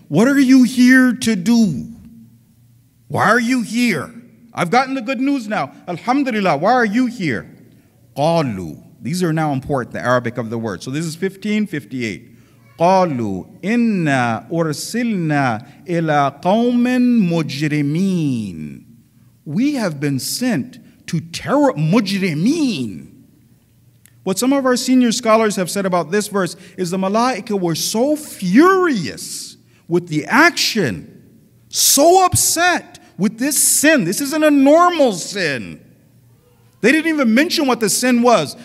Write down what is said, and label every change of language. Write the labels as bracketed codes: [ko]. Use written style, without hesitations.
[en] What are you here to do? Why are you here? I've gotten the good news now. Alhamdulillah, why are you here? [ar] قَالُوا. [en] These are now important, the Arabic of the word. So this is 1558. [ar] قَالُوا إِنَّا أُرْسِلْنَا إِلَىٰ قَوْمٍ مُجْرِمِينَ. [en] We have been sent to terror mujrimeen. What some of our senior scholars have said about this verse is the malaika were so furious with the action, so upset with this sin. This isn't a normal sin. They didn't even mention what the sin was.